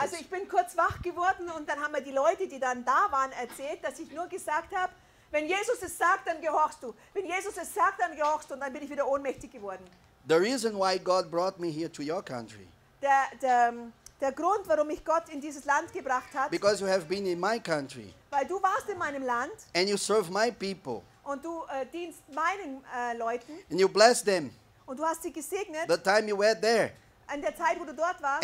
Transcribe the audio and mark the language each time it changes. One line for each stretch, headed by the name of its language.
German: Also ich bin kurz wach geworden und dann haben mir die Leute, die dann da waren, erzählt, dass ich nur gesagt habe, wenn Jesus es sagt, dann gehorchst du. Wenn Jesus es sagt, dann gehorchst du. Und dann bin ich wieder ohnmächtig geworden.
English: The reason why God brought me here to your country.
German: Der Grund, warum ich Gott in dieses Land gebracht hat.
English: Because you have been in my country.
German: Weil du warst in meinem Land.
English: And you serve my people.
German: Und du dienst meinen Leuten.
English: And you bless them.
German: Und du hast sie gesegnet.
English: The time you were there.
German: In der Zeit, wo du dort warst.